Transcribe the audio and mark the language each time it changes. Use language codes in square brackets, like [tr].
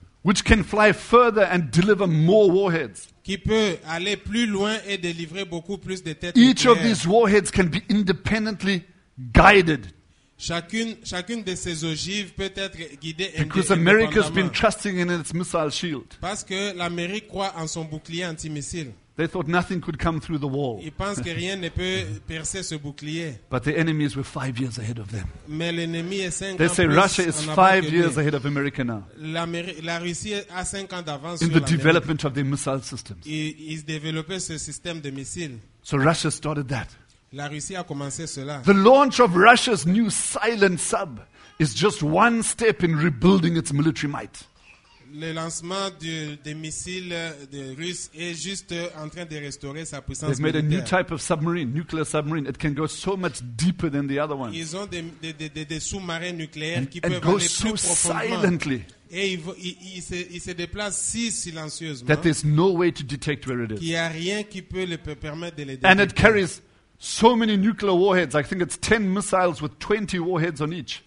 [en] Which can fly further and deliver more warheads. [fr] Qui peut aller plus loin et délivrer beaucoup plus de têtes. [en] Each of these warheads can be independently guided. [fr] Chacune de ces ogives peut être guidée indépendamment. [en] Because America's been trusting in its missile shield. [fr] Parce que l'Amérique croit en son bouclier antimissile. [en] They thought nothing could come through the wall. [fr] Ils pensent que rien ne peut percer ce bouclier. [en] But the enemies were 5 years ahead of them. [fr] Mais l'ennemi est 5 ans. [en] They say Russia is 5 years ahead of America now. [fr] La Russie a 5 ans d'avance. [en] In the development of their missile systems. [fr] Ils développaient ce système de missiles. [en] So Russia started that. [fr] La Russie a commencé cela. [en] The launch of Russia's new silent sub is just one step in rebuilding its military might. [fr] Le lancement des missiles des Russes est juste en train de restaurer sa puissance militaire. [en] They've made a new type of submarine, nuclear submarine. It can go so much deeper than the other ones. [fr] Ils ont des sous-marins nucléaires qui peuvent aller plus profondément. [en] And go so silently. [fr] Et il se déplace si silencieusement. [en] That there's no way to detect where it is. [fr] Il n'y a rien qui peut le permettre de le détecter. [en] And it carries so many nuclear warheads. I think it's 10 missiles with 20 warheads on each.